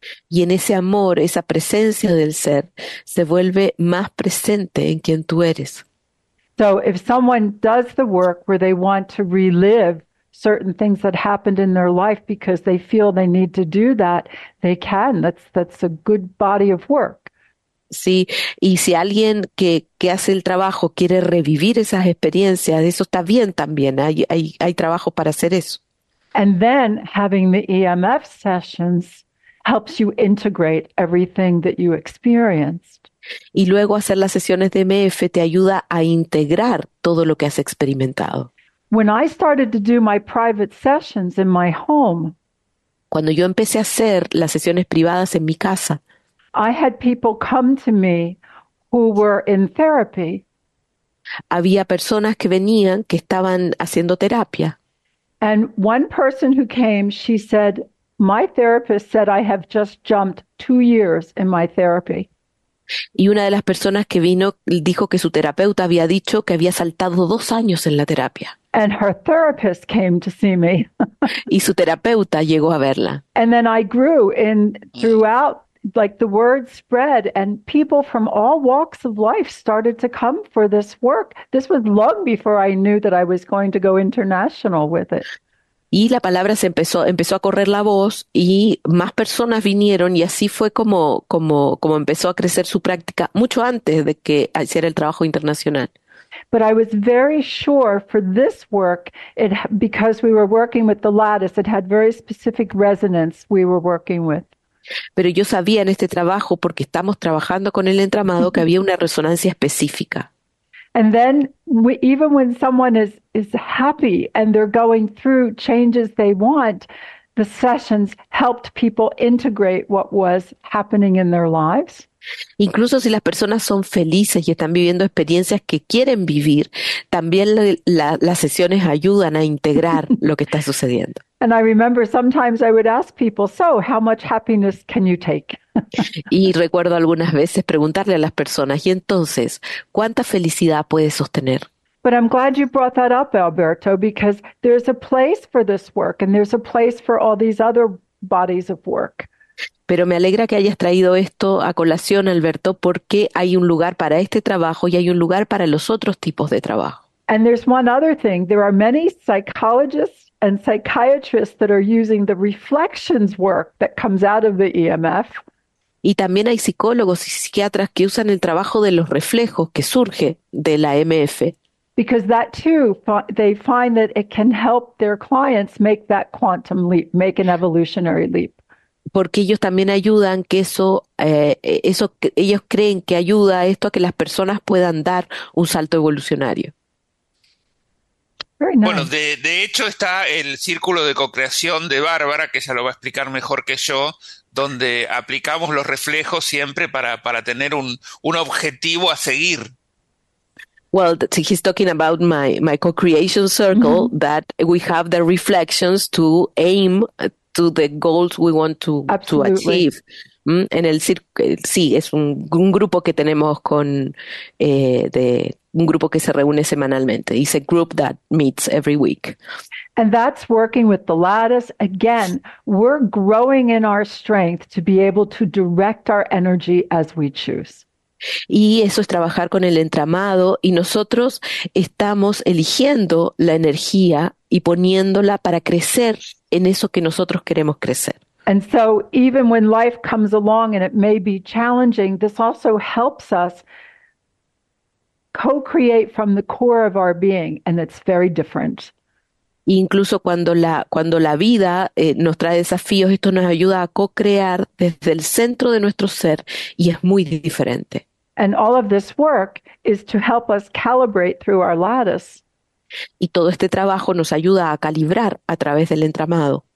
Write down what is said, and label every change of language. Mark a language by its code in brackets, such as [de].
[es] Y en ese amor, esa presencia del ser, se vuelve más presente en quien tú eres. [en] So if someone does the work where they want to relive certain things that happened in their life because they feel they need to do that, they can. That's a good body of work. [es] Sí, y si alguien que hace el trabajo quiere revivir esas experiencias, eso está bien también, hay trabajo para hacer eso. [en] And then having the EMF sessions helps you integrate everything that you experienced. [es] Y luego hacer las sesiones de MF te ayuda a integrar todo lo que has experimentado. [en] When I started to do my private sessions in my home, [es] Cuando yo empecé a hacer las sesiones privadas en mi casa, [en] I had people come to me who were in therapy. [es] había personas que venían que estaban haciendo terapia. [en] And one person who came, she said, "My therapist said I have just jumped 2 years in my therapy." [es] Y una de las personas que vino dijo que su terapeuta había dicho que había saltado 2 años en la terapia. [en] And her therapist came to see me. [es] Y su terapeuta llegó a verla. [en] And then I grew in throughout, like the word spread, and people from all walks of life started to come for this work. This was long before I knew that I was going to go international with it. [es] Y la palabra empezó a correr la voz y más personas vinieron y así fue como empezó a crecer su práctica mucho antes de que hiciera el trabajo internacional. [en] But I was very sure for this work, because we were working with the lattice, it had very specific resonance we were working with. [es] Pero yo sabía en este trabajo, porque estamos trabajando con el entramado, que había una resonancia específica. [en] And then, even when someone is happy and they're going through changes they want, the sessions helped people integrate what was happening in their lives. [es] Incluso si las personas son felices y están viviendo experiencias que quieren vivir, también las sesiones ayudan a integrar lo que está sucediendo. [en] And I remember sometimes I would ask people, "So, how much happiness can you take?" [es] Y recuerdo algunas veces preguntarle a las personas, y entonces, ¿cuánta felicidad puedes sostener? [en] But I'm glad you brought that up, Alberto, because there's a place for this work and there's a place for all these other bodies of work. [es] Pero me alegra que hayas traído esto a colación, Alberto, porque hay un lugar para este trabajo y hay un lugar para los otros tipos de trabajo. [en] And there's one other thing. There are many psychologists and psychiatrists that are using the reflections work that comes out of the EMF. [es] Y también hay psicólogos y psiquiatras que usan el trabajo de los reflejos que surge de la MF. [en] Because that too, they find that it can help their clients make that quantum leap, make an evolutionary leap. [es] Porque ellos también ayudan que eso ellos creen que ayuda a esto a que las personas puedan dar un salto evolucionario. [en] Very [es] Bueno, [en] nice. [es] de hecho está el círculo de co-creación de Bárbara, que ella lo va a explicar mejor que yo, donde aplicamos los reflejos siempre para tener un objetivo a seguir. [en] Well, he's talking about my co-creation circle, that we have the reflections to aim to the goals we want to Absolutely. achieve. [es] En el circo, sí, es un grupo que tenemos con de un grupo que se reúne semanalmente. [en] It's a group that meets every week. And that's working with the lattice. Again, we're growing in our strength to be able to direct our energy as we choose. [es] Y eso es trabajar con el entramado y nosotros estamos eligiendo la energía y poniéndola para crecer en eso que nosotros queremos crecer. [en] And so, even when life comes along and it may be challenging, this also helps us co-create from the core of our being, and it's very different. [es] Incluso cuando la vida nos trae desafíos, esto nos ayuda a co-crear desde el centro de nuestro ser y es muy diferente. [en] And all of this work is to help us calibrate through our lattice. [es] Y todo este trabajo nos ayuda a calibrar a través del entramado.